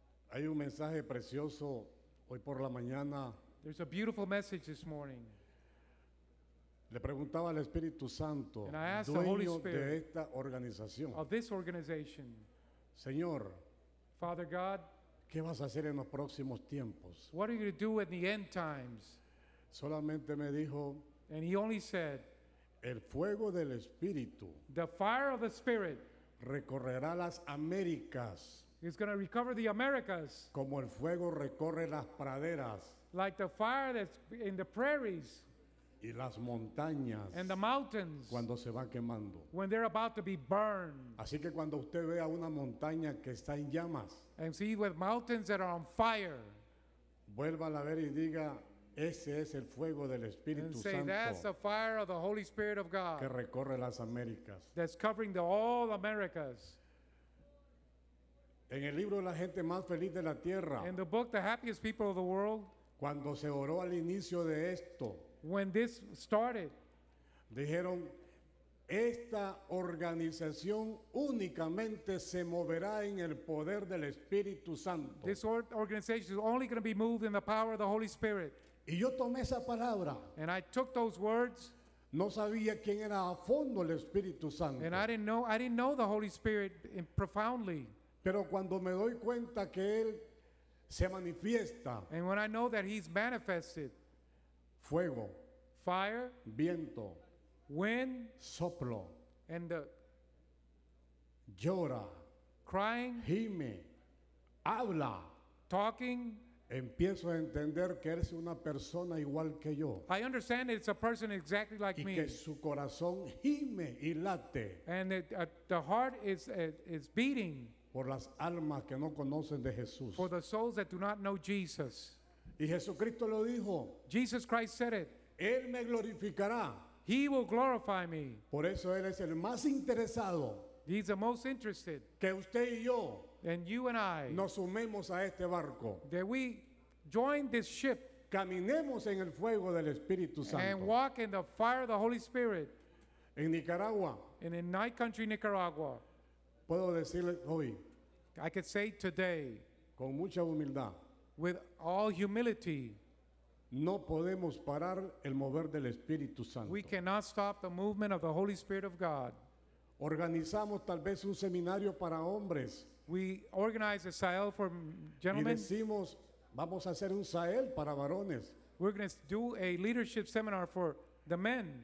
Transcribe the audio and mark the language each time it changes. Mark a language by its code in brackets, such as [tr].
[es] Hay un mensaje precioso hoy por la mañana. [en] There's a beautiful message this morning. [es] Le preguntaba al Espíritu Santo, [en] and I asked [es] dueño [en] the Holy Spirit [es] de esta organización, [en] of this organization. [es] Señor, [en] Father God, [es] ¿qué vas a hacer en los próximos tiempos? [en] What are you going to do in the end times? [es] Solamente me dijo, [en] and he only said, [es] el fuego del Espíritu, [en] the fire of the Spirit, [es] recorrerá las Américas. [en] It's going to recover the Americas. [es] Como el fuego recorre las praderas. [en] Like the fire that's in the prairies. [es] Y las montañas. [en] And the mountains. [es] Cuando se va quemando. [en] When they're about to be burned. [es] Así que cuando usted vea una montaña que está en llamas. [en] And see with mountains that are on fire. [es] Vuelva a ver y diga, ese es el fuego del Espíritu [en] and say, [es] Santo. [en] That's the fire of the Holy Spirit of God. [es] Que recorre las Américas. [en] That's covering the all Americas. [es] En el libro de la gente más feliz de la tierra. [en] In the book The Happiest People of the World. [es] Cuando se oró al inicio de esto. [en] When this started. [es] Dijeron, esta organización únicamente se moverá en el poder del Espíritu Santo. [en] This organization is only going to be moved in the power of the Holy Spirit. [es] Y yo tomé esa palabra. [en] And I took those words. [es] No sabía quién era a fondo el Espíritu Santo. [en] And I didn't know the Holy Spirit profoundly. [es] Pero cuando me doy cuenta que él se manifiesta, [en] and when I know that he's manifested, [es] fuego, [en] fire, [es] viento, [en] wind, [es] soplo, [en] and the [es] llora, [en] crying, [es] gime, habla, [en] talking, [es] empiezo a entender que eres una persona igual que yo. [en] I understand it's a person exactly like me. [es] Y que su corazón gime y late. [en] And the heart is beating. [es] Por las almas que no conocen de Jesús. [en] For the souls that do not know Jesus. [es] Y Jesucristo lo dijo. [en] Jesus Christ said it. [es] Él me glorificará. [en] He will glorify me. [es] Por eso él es el más interesado. [en] He's the most interested. [es] Que usted y yo. [en] And you and I. [es] Nos sumemos a este barco. [en] That we join this ship. [es] Caminemos en el fuego del Espíritu Santo. [en] And walk in the fire of the Holy Spirit. [es] En Nicaragua. [en] And in my country, Nicaragua. [es] Puedo decirle hoy, [en] I could say today, [es] con mucha humildad, [en] with all humility, [es] no podemos parar el mover del Espíritu Santo. [en] We cannot stop the movement of the Holy Spirit of God. [es] Organizamos tal vez un seminario para hombres. [en] We organize a Sahel for gentlemen. [es] Y decimos, vamos a hacer un Sahel para varones. [en] We're going to do a leadership seminar for the men.